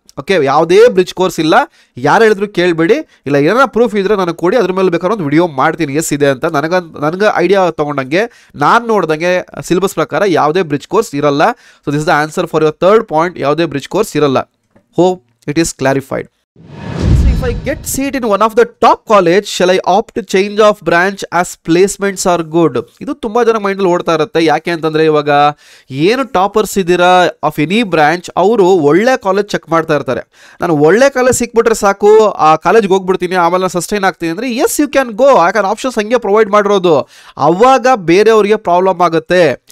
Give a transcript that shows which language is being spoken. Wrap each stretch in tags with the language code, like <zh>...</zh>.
<kn>Okay, ಯಾವುದೇ bridge course ಇಲ್ಲ, ಯಾರು ಹೇಳಿದ್ರು ಕೇಳಬೇಡಿ. ಇಲ್ಲ ಏನಾರ ಪ್ರೂಫ್ ಇದ್ದರೆ ನನಗೆ ಕೊಡಿ, ಅದ್ರ ಮೇಲೆ ಬೇಕಾದ್ರೆ ಒಂದು ವಿಡಿಯೋ ಮಾಡ್ತೀನಿ ಎಸ್ ಇದೆ ಅಂತ. ನನಗೆ ಐಡಿಯಾ ತೊಗೊಂಡಂಗೆ ನಾನು ನೋಡ್ದಂಗೆ ಸಿಲಬಸ್ ಪ್ರಕಾರ ಯಾವುದೇ ಬ್ರಿಡ್ಜ್ ಕೋರ್ಸ್ ಇರಲ್ಲ.</kn> <en>so this is the answer for your third point,</en> <kn>ಯಾವುದೇ ಬ್ರಿಡ್ಜ್ ಕೋರ್ಸ್ ಇರಲ್ಲ.</kn> <en>Hope it is clarified. If I get seat in one of the top college, shall I opt to change of branch as placements are good?</en> <kn>ಇದು ತುಂಬಾ ಜನ mind ಅಲ್ಲಿ ಓಡ್ತಾ ಇರುತ್ತೆ. ಯಾಕೆ ಅಂತಂದ್ರೆ ಇವಾಗ ಏನು ಟಾಪರ್ಸ್ ಇದ್ದೀರಾ</kn> <en>of any branch,</en> <kn>ಅವರು ಒಳ್ಳೆ ಕಾಲೇಜ್ ಚೆಕ್ ಮಾಡ್ತಾ ಇರ್ತಾರೆ. ನಾನು ಒಳ್ಳೆ ಕಾಲೇಜ್ ಸಿಕ್ಬಿಟ್ರೆ ಸಾಕು, ಆ ಕಾಲೇಜ್ಗೆ ಹೋಗ್ಬಿಡ್ತೀನಿ, ಆಮೇಲೆ ನಾನು ಸಸ್ಟೈನ್ ಆಗ್ತೀನಿ ಅಂದ್ರೆ</kn> <en>Yes you can go.</en> <kn>ಯಾಕಂದ್ರೆ ಆಪ್ಷನ್ಸ್ ಹಂಗೆ ಪ್ರೊವೈಡ್ ಮಾಡಿರೋದು, ಅವಾಗ ಬೇರೆಯವರಿಗೆ ಪ್ರಾಬ್ಲಮ್ ಆಗುತ್ತೆ.</kn>